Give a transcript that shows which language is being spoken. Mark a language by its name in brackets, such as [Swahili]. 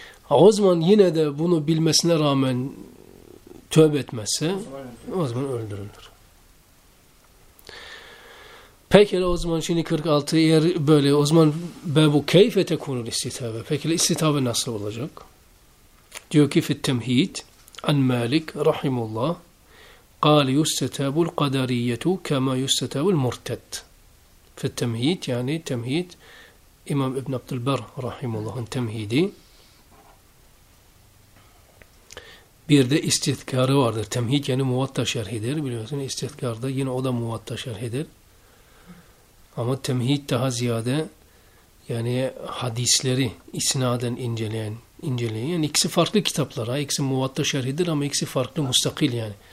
[Turkish] O zaman yine de bunu bilmesine rağmen tövbe etmezse o zaman öldürülür. Peki o zaman şimdi 46 eğer böyle o zaman bu [Arabic] keyfe tekunul istitabe. [Turkish] Peki istitabe nasıl olacak? Diyor ki [Arabic] fittemhid an Malik rahimullah قال يستتاب القدرية كما يستتاب المرتد في التمهيد يعني تمهيد إمام ابن عبد البر رحمه الله تمهيدي [Turkish] bir de istihkarı vardır. Temhid yani muvatta şerhidir. Biliyorsun istihkar da yine o da muvatta şerhidir. Ama temhid daha ziyade yani hadisleri isnaden inceleyen. Yani ikisi farklı kitaplar. Ha. İkisi muvatta şerhidir ama ikisi farklı müstakil yani.